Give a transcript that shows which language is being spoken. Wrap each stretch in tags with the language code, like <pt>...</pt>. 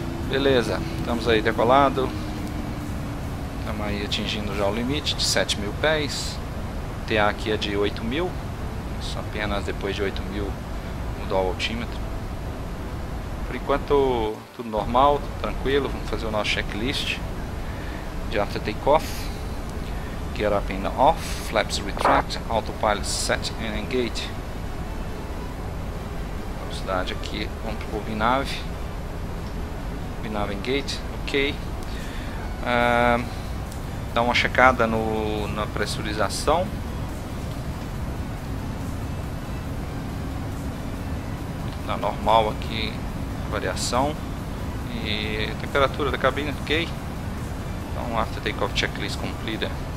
<pt>Beleza, estamos aí decolado. Estamos aí atingindo já o limite de 7.000 pés. O TA aqui é de 8.000, só apenas depois de 8.000 mudou o altímetro. Por enquanto tudo normal, tudo tranquilo, vamos fazer o nosso checklist de after takeoff.</pt> <en>Get up and off, flaps retract, autopilot set and engage.</en> <pt>Velocidade aqui, vamos pro binave. Binave engage, ok. Dá uma checada na pressurização. Tá normal aqui, variação. E temperatura da cabine, ok?</pt> <en>Então, after takeoff checklist completed.</en>